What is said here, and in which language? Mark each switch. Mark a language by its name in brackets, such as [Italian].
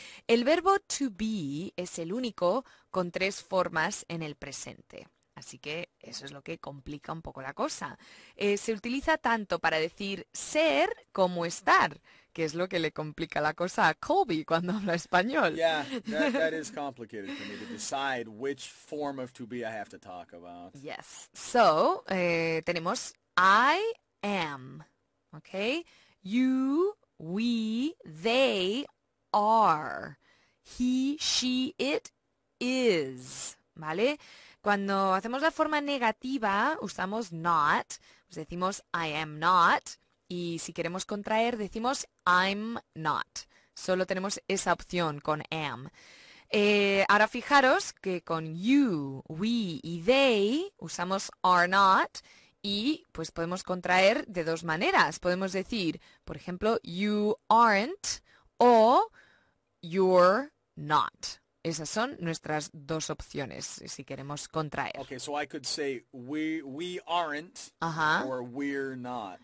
[Spanish] El verbo to be es el único con tres formas en el presente, así que eso es lo que complica un poco la cosa. Se utiliza tanto para decir ser como estar, que es lo que le complica la cosa a Colby cuando habla español. [English] Yeah, that is complicated for me to decide which form of to be I have to talk about. Yes. So, [Spanish] tenemos [English] I am. Okay. You, we, they are. He, she, it is. [Spanish] ¿Vale? Cuando hacemos la forma negativa, usamos not. Pues decimos [English] I am not. [Spanish] Y si queremos contraer, decimos [English] I'm not. [Spanish] Solo tenemos esa opción con am. Ahora fijaros que con you, we y they usamos [English] are not [Spanish] y pues podemos contraer de dos maneras. Podemos decir, por ejemplo, [English] you aren't [Spanish] o [English] you're not. [Spanish] Esas son nuestras dos opciones si queremos contraer. [English] Okay, so I could say we aren't or we're not.